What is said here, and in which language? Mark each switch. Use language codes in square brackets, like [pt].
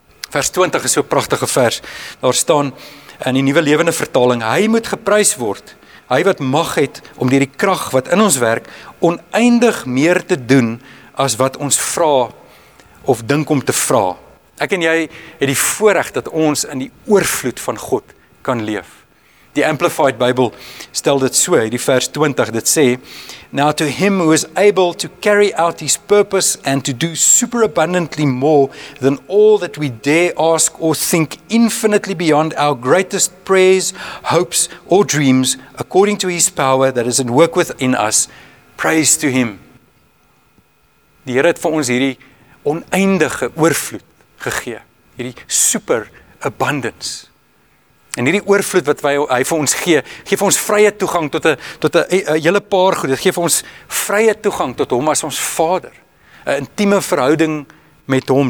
[af] Vers 20 is so 'n prachtige vers, daar staan in die Nuwe Lewende Vertaling, hy moet geprys word, hy wat mag het om deur die krag wat in ons werk, oneindig meer te doen as wat ons vra of dink om te vra. Ek en jy het die voorreg dat ons in die oorvloed van God kan leef. Die Amplified Bible stel dit so, die vers 20, dit sê, [en] Now to him who is able to carry out his purpose and to do superabundantly more than all that we dare ask or think infinitely beyond our greatest prayers, hopes or dreams, according to his power that is at work within us, praise to him. [af] Die Here het vir ons hierdie oneindige oorvloed gegee, hierdie super abundance. En hierdie oorvloed wat hy vir ons gee, gee vir ons vrye toegang tot 'n hele paar goed. Dit gee vir ons vrye toegang tot hom as ons vader. 'n Intieme verhouding met hom.